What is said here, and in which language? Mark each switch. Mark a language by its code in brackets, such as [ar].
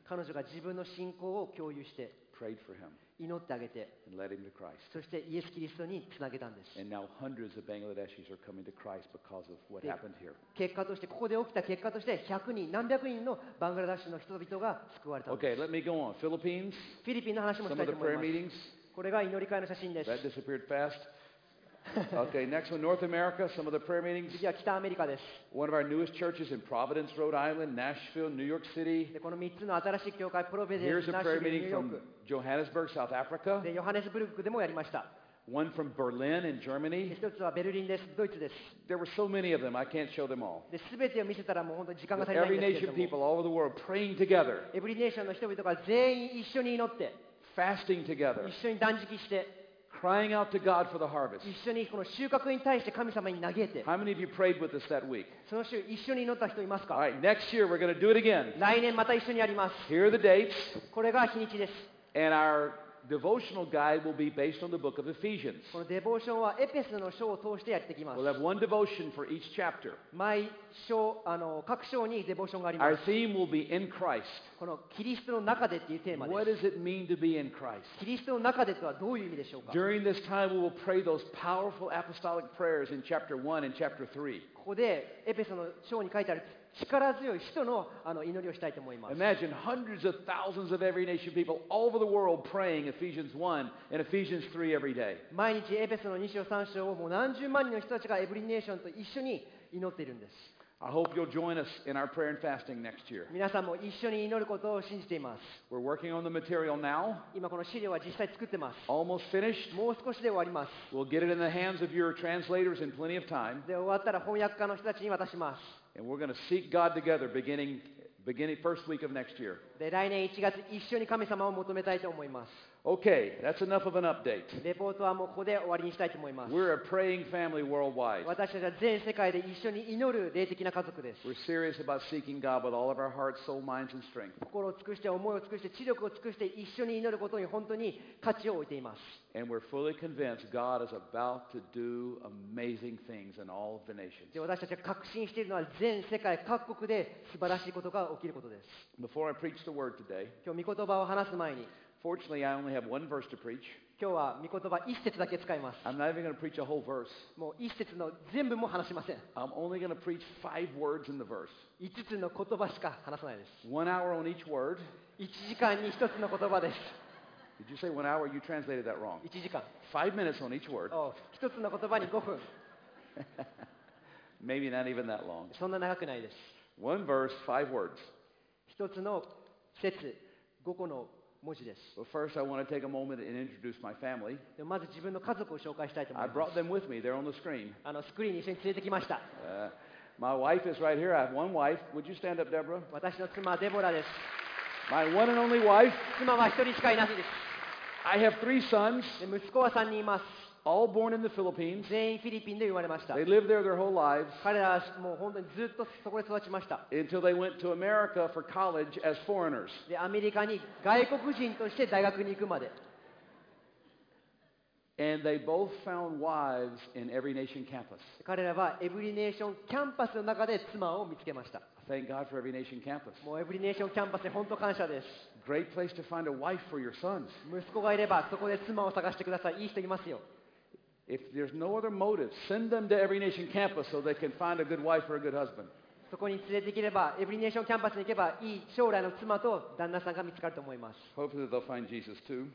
[ja] 彼女が自分の信仰を共有して、 [en] prayed for him. [ja] 祈ってあげて、 [en] and led him to Christ. [ja] そしてイエス・キリストにつなげたんです。 [en] And now hundreds of Bangladeshis are coming to Christ because of what happened here. [ja] 結果として、ここで起きた結果として、100人、何百人のバングラデシュの人々が救われたんです。 [en] Okay, let me go on. Philippines. [ja] フィリピンの話もしたいと思います。 [en] Some of the prayer meetings. これが祈り会の写真です。 That disappeared fast. Okay, next one, North America, some of the prayer meetings. [ja] 次は北アメリカです。 [en] One of our newest churches in Providence, Rhode Island, Nashville, New York City. [ja] で、この3つの新しい教会、プロビデンス、ナッシュビル、ニューヨーク。 [en] Here's a prayer meeting from Johannesburg, South Africa. [ja] で、ヨハネスブルクでもやりました。 [en] One from Berlin in Germany. [ja] 一つはベルリンです、ドイツです。 [en] There were so many of them, I can't show them all. [ja] で、すべてを見せたらもう本当に時間が足りないんですけども。 [en] Every nation people all over the world praying together. [ja] Every nation の人々が全員一緒に祈って。 [en] Fasting together. [ja] 一緒に断食して。 [en] Crying out to God for the harvest. [ja] 一緒にこの収穫に対して神様に嘆いて。 [en] How many of you prayed with us that week? [ja] その週一緒に祈った人いますか? [en] All right, next year we're going to do it again. [ja] 来年また一緒にやります。 [en] Here are the dates. [ja] これが日にちです。 [en] And our devotional guide will be based on the book of Ephesians. [ja] このデボーションはエペソの書を通してやっていきます。 [en] We'll have one devotion for each chapter. [ja] 毎章、各章にデボーションがあります。 [en] Our theme will be in Christ. [ja] このキリストの中でっていうテーマです。 [en] What does it mean to be in Christ? [ja] キリストの中でとはどういう意味でしょうか? [en] During this time, we will pray those powerful apostolic prayers in chapter 1 and chapter 3. [ja] ここでエペソの章に書いてある力強い使徒の祈りをしたいと思います。 [en] Imagine hundreds of thousands of every nation people all over the world praying Ephesians 1 and Ephesians 3 every day. [ja] 毎日エペソの2章3章をもう何十万人の人たちがエブリネーションと一緒に祈っているんです。 [en] I hope you'll join us in our prayer and fasting next year. [ja] 皆さんも一緒に祈ることを信じています。 [en] We're working on the material now. [ja] 今この資料は実際作ってます。 [en] Almost finished. [ja] もう少しで終わります。 [en] We'll get it in the hands of your translators in plenty of time. [ja] で、終わったら翻訳家の人たちに渡します。 [en] And we're going to seek God together beginning first week of next year. [ja] で、来年1月一緒に神様を求めたいと思います。 [en] Okay, that's enough of an update. [ja] レポートはもうここで終わりにしたいと思います。 [en] We're a praying family worldwide. [ja] 私たちは全世界で一緒に祈る霊的な家族です。 [en] We're serious about seeking God with all of our hearts, soul, minds, and strength. [ja] 心を尽くして、思いを尽くして、知力を尽くして一緒に祈ることに本当に価値を置いています。 [en] And we're fully convinced God is about to do amazing things in all of the nations. [ja] で、私たちが確信しているのは全世界各国で素晴らしいことが起きることです。 [en] Before I preach the word today, [ja] 今日御言葉を話す前に、 [en] Fortunately, I only have one verse to preach. [ja] 今日は御言葉一節だけ使います。 [en] I'm not even going to preach a whole verse. [ja] もう一節の全部も話しません。 [en] I'm only going to preach five words in the verse. [ja] 5つの言葉しか話さないです。 [en] One hour on each word. [ja] 1時間に1つの言葉です。 [en] Did you say one hour? You translated that wrong. [ja] 1時間。 [en] Five minutes on each word. [ja] お、1つの言葉に5分。 [en] Maybe not even that long. [ja] そんな長くないです。 [en] One verse, five words. [ja] 1つの節、5個の文字です。 [en] But first, I want to take a moment and introduce my family. [ja] でもまず自分の家族を紹介したいと思います。 [en] I brought them with me. They're on the screen. [ja] スクリーンに一緒に連れてきました。 [en] My wife is right here. I have one wife. Would you stand up, Deborah? [ja] 私の妻はデボラです。 [en] My one and only wife. [ja] 妻は一人しかいないです。 [en] I have three sons. [ja] で息子は3人います。 [en] All born in the Philippines. [ja] 全員フィリピンで生まれました。 [en] They lived there their whole lives. [ja] 彼らはもう本当にずっとそこで育ちました。 [en] Until they went to America for college as foreigners. [ja] で、アメリカに外国人として大学に行くまで。 [en] And they both found wives in every nation campus. [ja] 彼らはエブリネーションキャンパスの中で妻を見つけました。 [en] Thank God for every nation campus. [ja] もうエブリネーションキャンパスで本当感謝です。 [en] Great place to find a wife for your sons. [ja] 息子がいればそこで妻を探してください。いい人いますよ。 [en] If there's no other motive, send them to every nation campus so they can find a good wife or a good husband. [ja] そこに連れて行ければ、エブリネーションキャンパスに行けば、いい将来の妻と旦那さんが見つかると思います。 [en] Hopefully they'll find Jesus too.